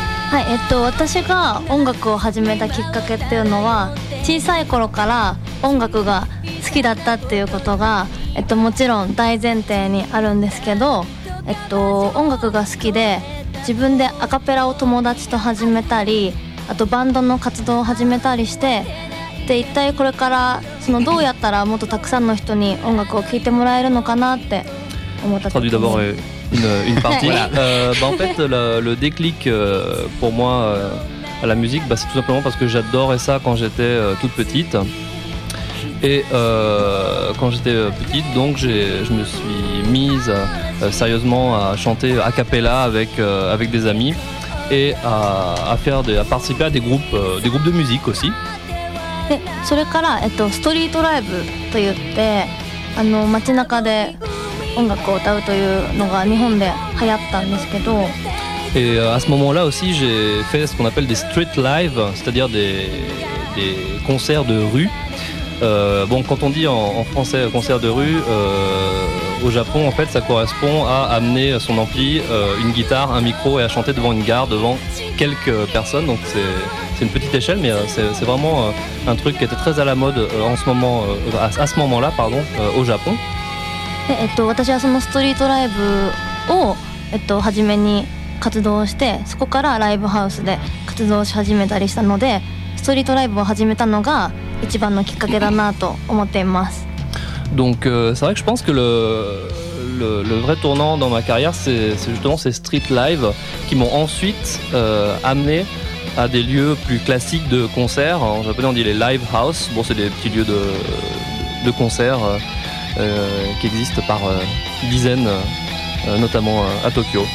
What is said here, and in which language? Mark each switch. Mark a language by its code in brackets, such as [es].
[ja] はい、私が音楽を始めたきっかけっていうのは小さい頃から音楽が好きだったっていうことが、もちろん大前提にあるんですけど、音楽が好きで自分でアカペラを友達と始めたりあとバンドの活動を始めたりして、で一体これからそのどうやったらもっとたくさんの人に音楽を聴いてもらえるのかなって思った時 [fr] に。une partie. Bah en fait, le déclic pour moi à la musique, bah c'est tout simplement parce que j'adorais ça quand j'étais toute petite. Et quand j'étais petite, donc je me suis mise sérieusement à chanter a cappella avec avec des amis et à participer à des groupes de musique aussi. [ja] Et それから street live と言って、あの街中で音楽を歌うというのが日本で流行ったんですけど。 [fr] Et à ce moment-là aussi, j'ai fait ce qu'on appelle des street live, c'est-à-dire des concerts de rue. Bon, quand on dit en français concert de rue, au Japon, en fait, ça correspond à amener son ampli, une guitare, un micro et à chanter devant une gare, devant quelques personnes. Donc c'est une petite échelle, mais c'est vraiment un truc qui était très à la mode en ce moment, à ce moment-là, pardon, au Japon. [ja] で私はそのストリートライブを、初めに活動して、そこからライブハウスで活動し始めたりしたので、ストリートライブを始めたのが一番のきっかけだなと思っています。 [fr] Donc, c'est vrai que je pense que le vrai tournant dans ma carrière, c'est justement ces street live qui m'ont ensuite amené à des lieux plus classiques de concert. En japonais on dit les live house, bon c'est des petits lieux de concert qui existe par dizaines, notamment à Tokyo.